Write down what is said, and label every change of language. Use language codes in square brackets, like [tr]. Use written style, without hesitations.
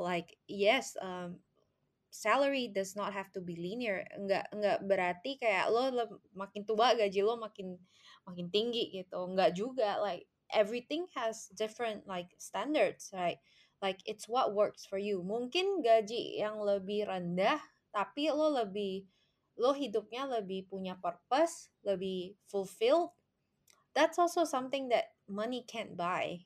[en] Like, yes, salary does not have to be linear. [id] Enggak berarti kayak lo makin tua gaji lo makin tinggi gitu. Enggak juga. [en] Like, everything has different like standards, right? Like, it's what works for you. [id] Mungkin gaji yang lebih rendah, tapi lo hidupnya lebih punya purpose, lebih fulfilled. [en] That's also something that money can't buy.